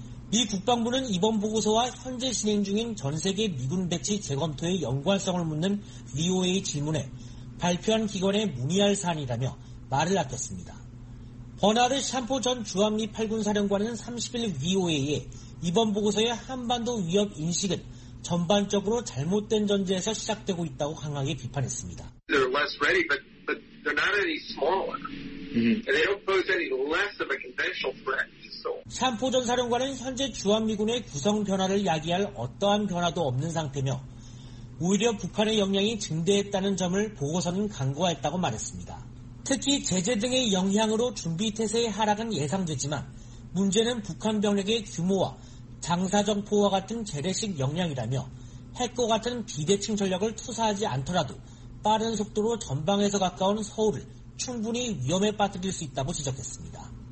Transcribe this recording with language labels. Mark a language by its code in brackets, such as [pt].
[ko] 미 국방부는 이번 보고서와 현재 진행 중인 전세계 미군 배치 재검토의 연관성을 묻는 VOA 질문에 발표한 기관에 문의할 사안이라며 말을 아꼈습니다. 버나드 샴포 전 주한미 8군 사령관은 30일 VOA에 이번 보고서의 한반도 위협 인식은 전반적으로 잘못된 전제에서 시작되고 있다고 강하게 비판했습니다. [en] They're less ready, but they're not any smaller. And they don't pose any less of a conventional threat. [ko] 샴포 전 사령관은 현재 주한미군의 구성 변화를 야기할 어떠한 변화도 없는 상태며 오히려 북한의 역량이 증대했다는 점을 보고서는 강조했다고 말했습니다. 특히 제재 등의 영향으로 준비태세의 하락은 예상되지만 문제는 북한 병력의 규모와 장사정포와 같은 재래식 역량이라며 핵과 같은 비대칭 전력을 투사하지 않더라도 빠른 속도로 전방에서 가까운 서울을 충분히 위험에 빠뜨릴 수 있다고 지적했습니다.